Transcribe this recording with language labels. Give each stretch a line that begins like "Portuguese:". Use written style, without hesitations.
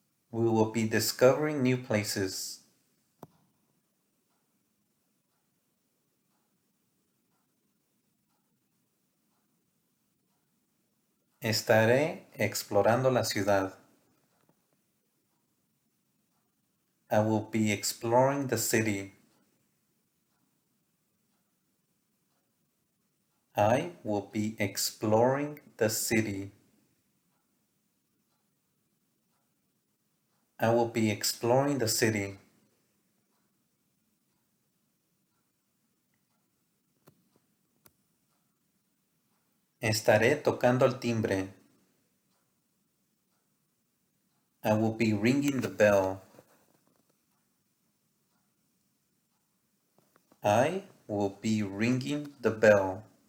English: We will be discovering new places.
Spanish: Estaré explorando la ciudad.
English: I will be exploring the city. I will be exploring the city. I will be exploring the city.
Spanish: Estaré tocando el timbre.
English: I will be ringing the bell. I will be ringing the bell.